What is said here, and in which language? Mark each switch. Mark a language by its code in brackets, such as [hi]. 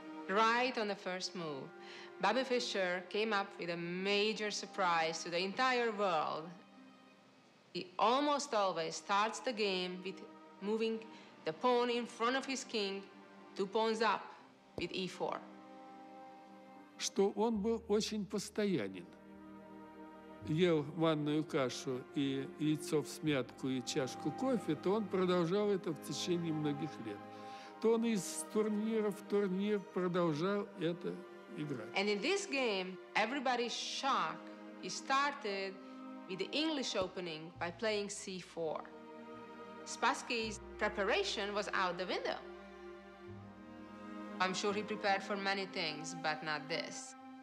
[en] Right on the first move, Bobby Fischer came up with a major surprise to the entire world. He almost always starts the game with moving the pawn in front of his king, two pawns up with e4. [ru] Что он был очень постоянен. Ел манную кашу и яйцо всмятку и чашку кофе, то он продолжал это в течение многих лет. То он из турнира в турнир продолжал это играть. [en] And in this game, everybody's shock is started with the English opening by playing C4. Spassky's preparation was out the window. I'm sure he prepared for many things, but not this.